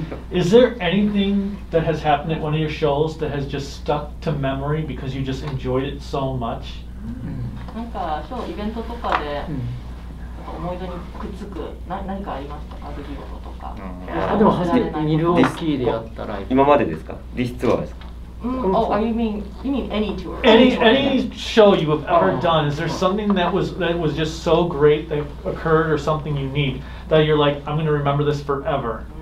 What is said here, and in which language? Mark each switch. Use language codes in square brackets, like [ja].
[en] Is there anything that has happened at one of your shows that has just stuck to memory because you just enjoyed it so much? [ja] なんかショーイベントとかで思い出にくっつく何かありましたか？出来事とか。あでも初めてニルオスキーでやったライブ。今までですか？ディスツアーですか？ [en] Oh, you mean any tour? Any show you have ever done, is there something that was just so great that occurred or something unique that you're like, I'm going to remember this forever?